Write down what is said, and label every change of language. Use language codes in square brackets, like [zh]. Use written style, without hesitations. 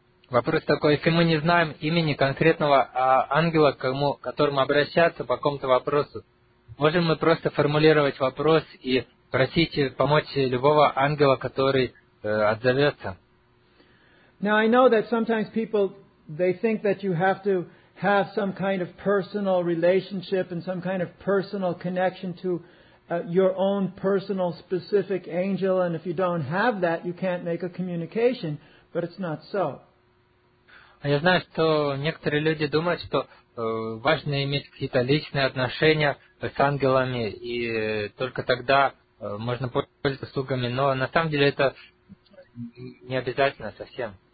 [ru] Вопрос такой, если мы не знаем имени конкретного ангела, к которому обращаться по какому-то вопросу, можем мы просто формулировать вопрос и просить помочь любого ангела, который отзовется? [en] Now I know that sometimes people, they think that you have to have some kind of personal relationship and some kind of personal connection to your own personal specific angel, and if you don't have that, you can't make a communication, but it's not so. [ru] Я знаю, что некоторые люди думают, что важно иметь какие-то личные отношения с ангелами, и только тогда можно пользоваться услугами, но на самом деле это не обязательно совсем.